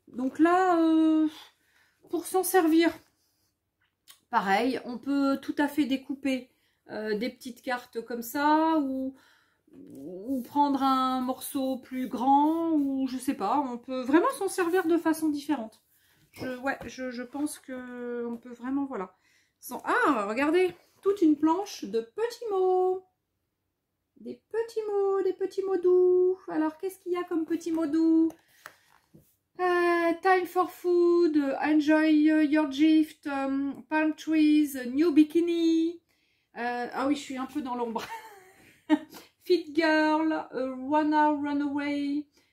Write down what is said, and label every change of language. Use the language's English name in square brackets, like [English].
[French] Donc là, pour s'en servir, pareil, on peut tout à fait découper des petites cartes comme ça, ou prendre un morceau plus grand, ou je sais pas, on peut vraiment s'en servir de façon différente. Je pense que on peut vraiment, voilà. Ah, regardez, toute une planche de petits mots. Des petits mots, des petits mots doux. Alors, qu'est-ce qu'il y a comme petits mots doux? [English] Time for food, enjoy your gift, palm trees, new bikini. [French] Ah oui, je suis un peu dans l'ombre. [English] Fit girl, wanna run away.